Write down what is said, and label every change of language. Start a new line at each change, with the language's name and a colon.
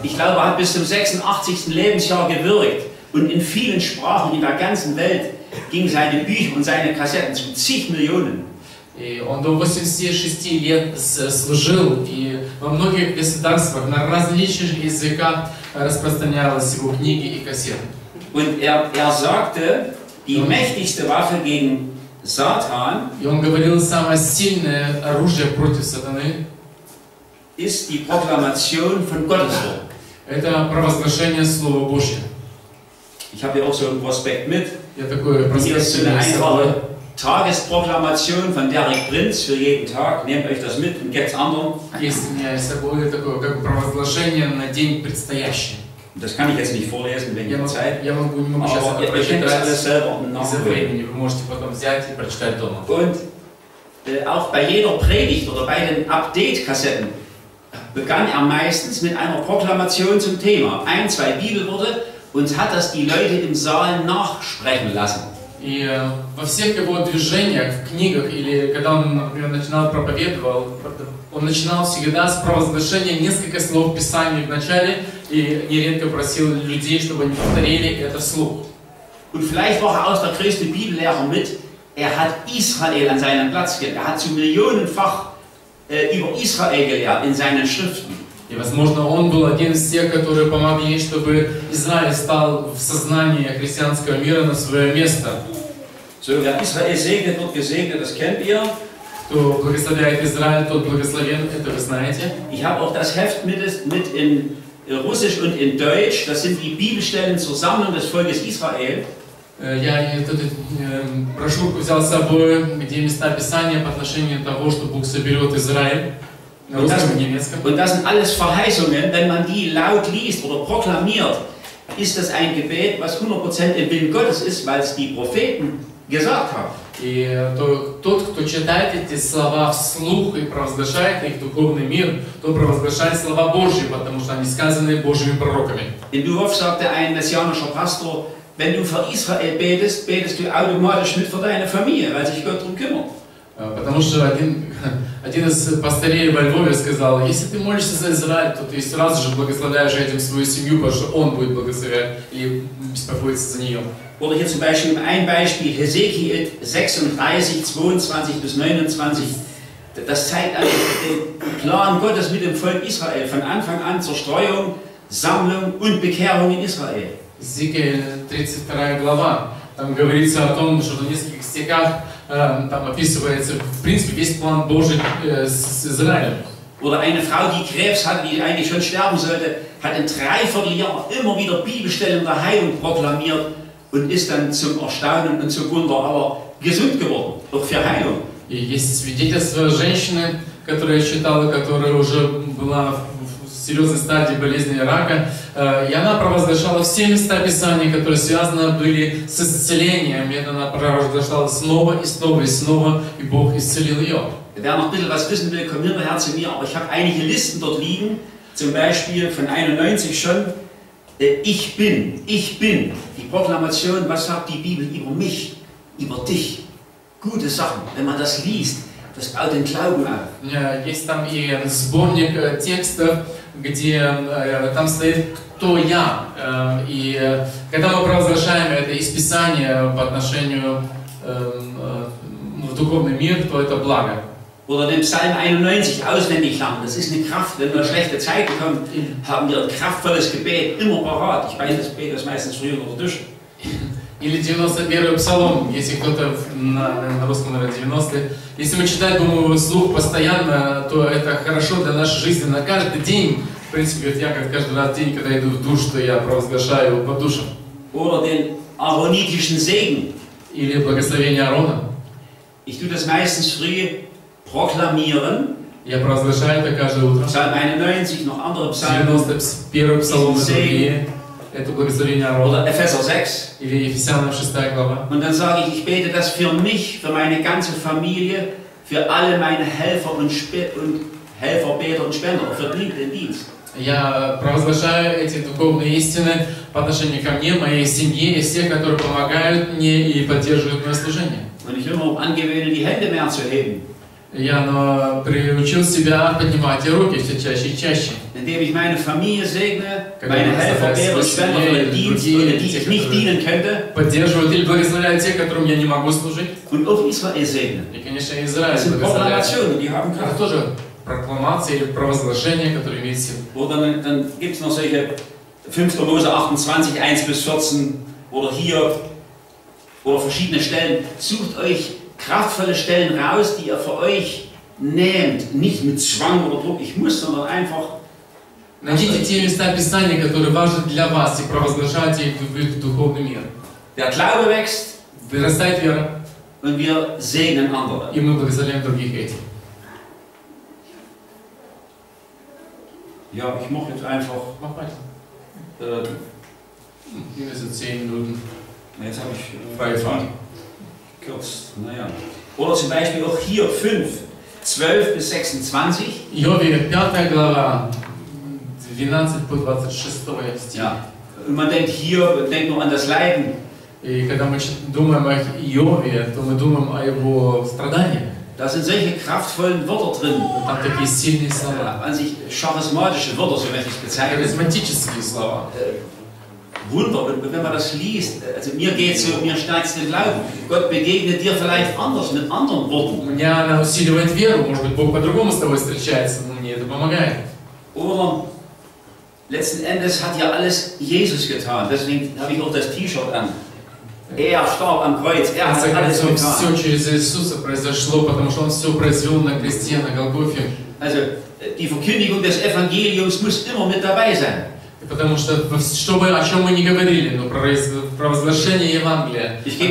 German: Ich glaube, er hat bis zum 86. Lebensjahr gewirkt und in vielen Sprachen in der ganzen Welt gingen seine Bücher und seine Kassetten zu zig Millionen.
Russian: И он до 86 лет служил и во многих государствах на различных языках распространялась его книги и кассеты.
German: Und er sagte, die mächtigste Waffe gegen Satan,
Russian: и он говорил, самое сильное оружие против сатаны,
German: ist die Proklamation von Gottes Wort.
Russian: Это провозглашение Слова Божьего.
German: Ich habe hier auch so einen Prospekt mit.
Russian: Я такой проспект.
German: Hier ist so eine einfache Tagesproklamation von Derek Prince für jeden Tag. Nehmt euch das mit und gebt es anderen. Das kann ich jetzt nicht vorlesen, wenn ihr Zeit habt. Aber ihr könnt es selber und nachholen. Und auch bei jeder Predigt oder bei den Update-Kassetten begann er meistens mit einer Proklamation zum Thema. Ein, zwei Bibelworte und hat das die Leute im Saal nachsprechen lassen.
Russian: И во всех его движениях, в книгах, или когда он, например, начинал проповедовать, он начинал всегда с провозглашения нескольких слов Писания в начале и нередко просил людей, чтобы они повторили это вслух.
German: Und vielleicht war er auch der größte Bibellehrer mit. Er hat Israel an seinem Platz gelehrt. Er hat zu millionenfach über Israel gelehrt in seinen Schriften.
Russian: И, возможно, он был один из тех, которые помогли ей, чтобы Израиль стал в сознании христианского мира на свое место.
German: So, wer Israel segnet, wird gesegnet, das kennt ihr.
Russian: Кто благословляет Израиль, тот благословен, это вы знаете.
German: Ich habe auch das Heft mit in Russisch und in Deutsch. Das sind die Bibelstellen zur Sammlung des Volkes Israel.
Russian: Я эту брошюрку взял с собой, где места Писания по отношению того, что Бог соберет Израиль.
German: Und das sind alles Verheißungen, wenn man die laut liest oder proklamiert, ist das ein Gebet, was 100% im Willen Gottes ist, weil es die Propheten gesagt haben.
Ukrainian: І той, хто читає ці слова вслух і провозглашає їх духовний мир, то провозглашає слова Божі, тому що вони сказані Божими пророками.
German: In Duhof sagt der ein messianischer Pastor, wenn du für Israel betest, betest du automatisch mit für deine Familie, weil sich Gott darum kümmert.
Ukrainian: Потому що один із пастирів во Львові сказав, якщо ти молишся за Ізраїль, то ти одразу ж благословляєш цим свою сім'ю, тому що він буде благословляти і спокоїтися за нею.
German: Oder hier zum Beispiel ein Beispiel, Hesekiel 36, 22 bis 29. Das zeigt also den Plan Gottes mit dem Volk Israel von Anfang an zur Streuung, Sammlung und Bekehrung in Israel.
Russian: Hesekiel 32, глава. Там говорится о том, что в нескольких стихах там описывается, в принципе, весь план Божий с Израилем.
German: Oder eine Frau, die Krebs hat, die eigentlich schon sterben sollte, hat in dreiviertel Jahr immer wieder Bibelstellen der Heilung proklamiert. Und ist dann zum Erstaunen und zum Wunder aber gesund geworden, auch für Heilung.
Russian: И есть свидетельство женщины, которую я читала, которая уже была в серьезной стадии болезни рака, и она провозглашала все места Писания, которые связаны были с исцелением, и она провозглашала снова и снова и снова, и Бог исцелил ее.
German: Wer noch ein bisschen was wissen will, komm hierher zu mir, aber ich habe einige Listen dort liegen, zum Beispiel von 91 schon, Ich bin, die Proklamation, was sagt die Bibel über mich, über dich? Gute Sachen, wenn man das liest, das baut den Glauben auf.
Russian: Ja, есть там и сборник текстов, где там стоит «Кто я?». И когда мы провозглашаем это из Писания по отношению в духовный мир, то это благо.
German: Oder den Psalm 91 auswendig lernen. Das ist eine Kraft. Wenn wir schlechte Zeiten kommen, haben wir ein kraftvolles Gebet immer parat. Ich weiß, das Gebet ist meistens früher oder Dusche.
Russian: Или 91 Псалом, если кто-то на русском, наверное, 90. Если мы читаем, думаю, слух постоянно, то это хорошо для нашей жизни на каждый день. В принципе, вот я как каждый раз день, когда иду в душ, то я провозглашаю его под душем.
German: Oder den aaronitischen Segen.
Russian: Или благословение Аарона.
German: Ich tue das meistens früh. Proklamieren.
Russian: Я провозглашаю это каждое утро.
German: Psalm 91, noch andere Psalmen.
Russian: 91 Псалом и другие. Это благословение Аарона.
German: Epheser 6.
Russian: Или Ефесянам 6 глава.
German: Und dann sage ich, ich bete das für mich, für meine ganze Familie, für alle meine Helfer und Helfer, Beter und Spender, für den Dienst.
Russian: Я провозглашаю эти духовные истины по отношению ко мне, моей семье и всех, которые помогают мне и поддерживают мое служение.
German: Und ich will mir angewöhnen, die Hände mehr zu heben.
Russian: Я приучил себя поднимать руки все чаще и чаще.
German: Indem ich meine Familie segne, meine Helfer, Beter, Spender, Dienst, die ich nicht dienen könnte.
Russian: Поддерживают или благословляют те, которым я не могу служить.
German: Und auch Israel segne.
Russian: И, конечно, Израиль благословляет. Это тоже прокламация или провозглашение, которое имеет силу.
German: Oder dann gibt es noch solche 5. Mose 28, 1-14, oder hier, oder verschiedene Stellen. Sucht euch kraftvolle Stellen raus, die ihr für euch nehmt, nicht mit Zwang oder Druck, ich muss, sondern einfach.
Russian: Найдите те места Писания, которые важны для вас, и провозглашайте их в духовный мир.
German: Der Glaube wächst,
Russian: вырастает вера,
German: und wir segnen andere.
Russian: И мы благословляем других этим.
German: Ja, ich mache jetzt einfach. Mach weiter. Hier sind 10 Minuten. Jetzt habe ich frei gefahren. Naja. Oder zum Beispiel auch hier 5, 12 bis 26. Jobi, 5.
Russian: глава,
German: 12 bis 26. Stich. Ja. Und man denkt hier, man denkt nur an das Leiden.
Russian: Когда мы думаем о Йове, то мы думаем о его страданиях.
German: Da sind solche kraftvollen Wörter drin. Und hat
Russian: такие сильные слова.
German: An sich charismatische Wörter, so möchte ich bezeichnen.
Russian: Charismatические слова.
German: Wunder, und wenn man das liest, also mir geht es so, mir stärkt es den Glauben. Gott begegnet dir vielleicht anders, mit anderen Worten.
Russian: Меня она усиливает веру, может быть, Бог по-другому с тобой встречается, но мне это помогает.
German: Oder letzten Endes hat ja alles Jesus getan, deswegen habe ich auch das T-Shirt an. Starb am Kreuz, hat alles getan.
Russian: Все через Иисуса произошло, потому что он все произвел на кресте, на Голгофе.
German: Also, die Verkündigung des Evangeliums muss immer mit dabei sein.
Russian: Потому что, чтобы о чем мы не говорили, но провозглашение Евангелия.